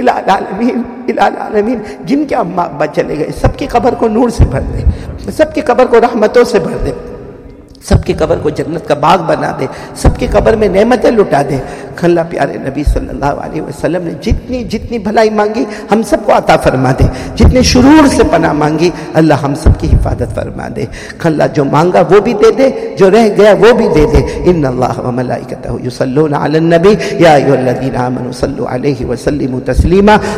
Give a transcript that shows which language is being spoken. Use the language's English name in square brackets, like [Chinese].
[Urdu] الہ العالمین, الہ العالمین جن کے اماں ابا چلے گئے, سب کی قبر کو نور سے بھر دے, سب کی قبر کو رحمتوں سے بھر دے, سب کی قبر کو جنت کا باغ بنا دے, سب کی قبر میں نعمتیں لٹا دے. اللہ پیارے نبی صلی اللہ علیہ وسلم نے جتنی جتنی بھلائی مانگی ہم سب کو عطا فرما دے, جتنے شرور سے پناہ مانگی اللہ ہم سب کی حفاظت فرما دے. اللہ جو مانگا وہ بھی دے دے, جو رہ گیا وہ بھی دے دے. [Arabic] ان اللہ وملائکتہ یصلون علی النبی یا ایھا الذین آمنوا صلوا علیہ وسلموا تسلیما.